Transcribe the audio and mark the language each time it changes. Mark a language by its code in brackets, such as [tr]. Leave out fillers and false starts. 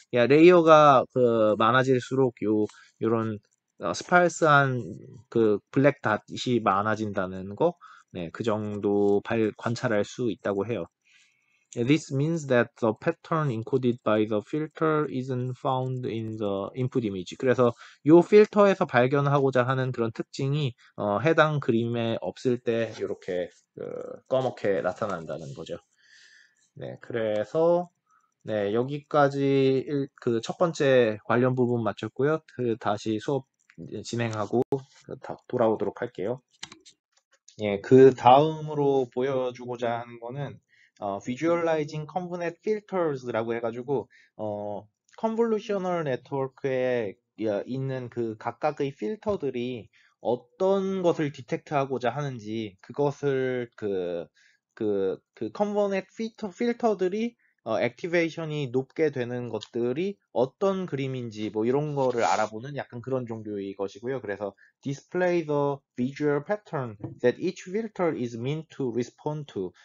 [ko] 레이어가 많아질수록 요런 스파이스한 그 블랙 닷이 많아진다는 거, 그 정도 관찰할 수 있다고 해요. [en] This means that the pattern encoded by the filter isn't found in the input image. [ko] 그래서 요 필터에서 발견하고자 하는 그런 특징이 해당 그림에 없을 때 이렇게 꺼멓게 나타난다는 거죠. 그래서 여기까지 첫 번째 관련 부분 마쳤고요. 다시 수업 진행하고 돌아오도록 할게요. 그 다음으로 보여주고자 하는 거는 Visualizing Convnet Filters라고 해가지고 컨볼루셔널 네트워크에 있는 그 각각의 필터들이 어떤 것을 디텍트하고자 하는지 그것을 그 컨버넷 필터들이 액티베이션이 높게 되는 것들이 어떤 그림인지 뭐 이런 거를 알아보는 약간 그런 종류의 것이고요. [en] 그래서 Display the visual pattern that each filter is meant to respond to.